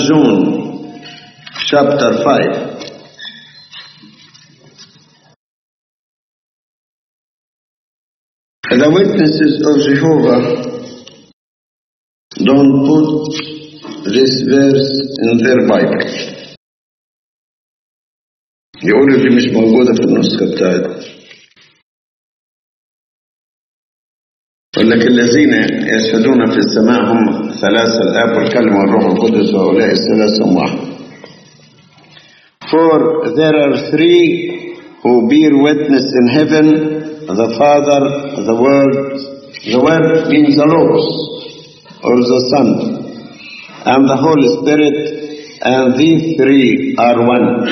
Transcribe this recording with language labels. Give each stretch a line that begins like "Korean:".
English: John, chapter 5. The witnesses of Jehovah don't put this verse in their Bible. The order is
Arabic: موجودة في النسخة بتاعت. ولكن الذين يشهدون في السماء هم ثلاثة: الآب والكلمة والروح القدس، وهؤلاء الثلاثة هم واحد.
English: For there are three who bear witness in heaven: the Father, the Word — the Word means the Logos or the Son — and the Holy Spirit, and these three are one.